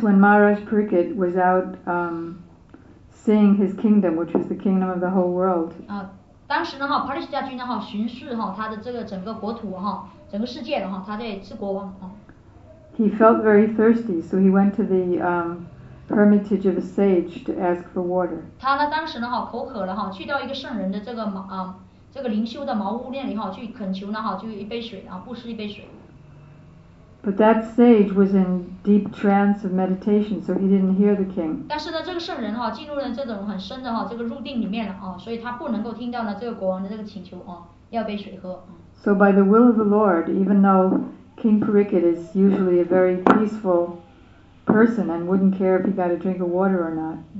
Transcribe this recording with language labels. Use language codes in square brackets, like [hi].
[en] when Maharaj Parikshit was out seeing his kingdom, which was the kingdom of the whole world. [zh] 当时呢，帕里什大君巡视他的这个整个国土，整个世界，他在吃国王。 [en] He felt very thirsty, so he went to the hermitage of a sage to ask for water. [zh] 他呢，当时呢，口渴了，去到一个圣人的这个灵修的茅屋那里，去恳求呢，就一杯水，布施一杯水。 [en] But that sage was in deep trance of meditation, so he didn't hear the king. [zh] 但是呢，这个圣人进入了这种很深的这个入定里面了，所以他不能够听到这个国王的请求，要杯水喝。 [en] So by the will of the Lord, even though King Parikshit is usually a very peaceful person and wouldn't care if he got a drink of water or not.